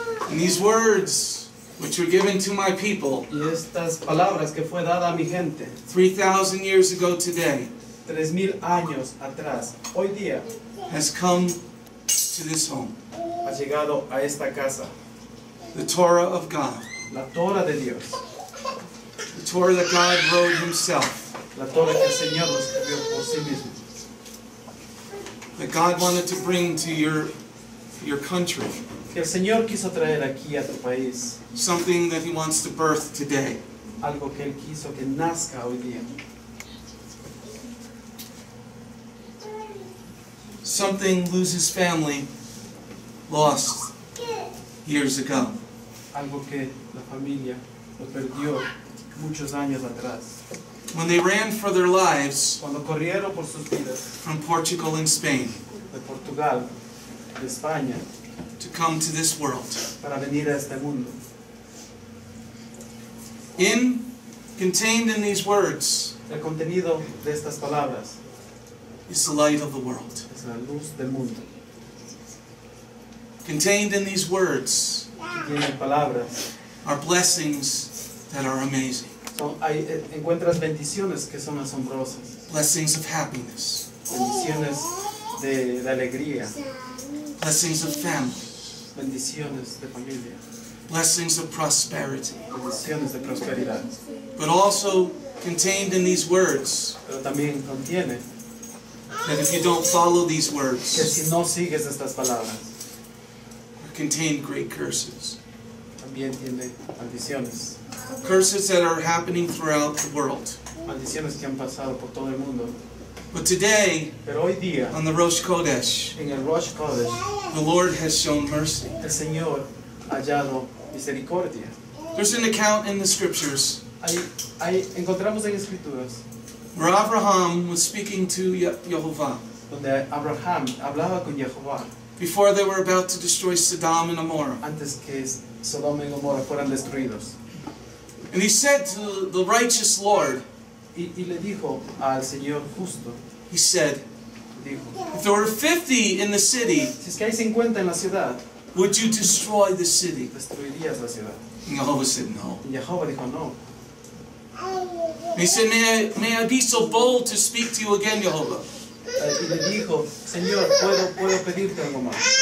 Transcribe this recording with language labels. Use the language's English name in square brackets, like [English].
[English] These words which were given to my people, [Spanish] y estas palabras que fue dada a mi gente, [English] 3,000 years ago today, [Spanish] 3,000 años atrás, hoy día, [English] has come to this home, [Spanish] ha llegado a esta casa, [English] the Torah of God, [Spanish] la Torah de Dios, [English] the Torah that God wrote himself, [Spanish] la Torah que el Señor escribió por sí mismo, [English] that God wanted to bring to your country. [Spanish] Que el Señor quiso traer aquí a tu país. [English] Something that he wants to birth today. [Spanish] Algo que él quiso que nazca hoy día. [English] Something loses family lost years ago. [Spanish] Algo que la familia lo perdió muchos años atrás. [English] when they ran for their lives [Spanish] cuando corrieron por sus vidas, [English] from Portugal and Spain [Spanish] de Portugal, de España, [English] to come to this world. [Spanish] Para venir a este mundo. [English] Contained in these words [Spanish] el contenido de estas palabras, [English] is the light of the world. [Spanish] Es la luz del mundo. [English] Contained in these words [Spanish] palabras, [English] are blessings that are amazing. [Spanish] Encuentras bendiciones que son asombrosas. [English] Blessings of happiness. [Spanish] Bendiciones de alegría. [English] Blessings of family. [Spanish] Bendiciones de familia. [English] Blessings of prosperity. [Spanish] Bendiciones de prosperidad. [English] But also contained in these words. [Spanish] Pero también contiene. [English] That if you don't follow these words. [Spanish] Que si no sigues estas palabras. [English] Contain great curses. [Spanish] También tiene maldiciones. [English] Curses that are happening throughout the world. [Spanish] Maldiciones que han pasado por todo el mundo. [English] But today, [Spanish] pero hoy día, [English] on the Rosh Kodesh, [Spanish] en el Rosh Kodesh, [English] the Lord has shown mercy. [Spanish] El Señor ha hallado misericordia. [English] There's an account in the scriptures. [Spanish] Ahí encontramos en escrituras. [English] Where Abraham was speaking to Jehovah. [Spanish] Donde Abraham hablaba con Jehová. [English] Before they were about to destroy Sodom and Gomorrah. [Spanish] Antes que Sodom y Gomorra fueran destruidos. [English] And he said to the righteous Lord, [Spanish] y le dijo al Señor justo, [English] he said, [Spanish] dijo, [English] if there were 50 in the city, [Spanish] si es que hay 50 en la ciudad, [English] would you destroy the city? [Spanish] Destruirías la ciudad. [English] And Jehovah said, no. [Spanish] Y Jehovah dijo, no. [English] And he said, may I be so bold to speak to you again, Jehovah? [Spanish] Y le dijo, Señor, ¿puedo pedirte algo más?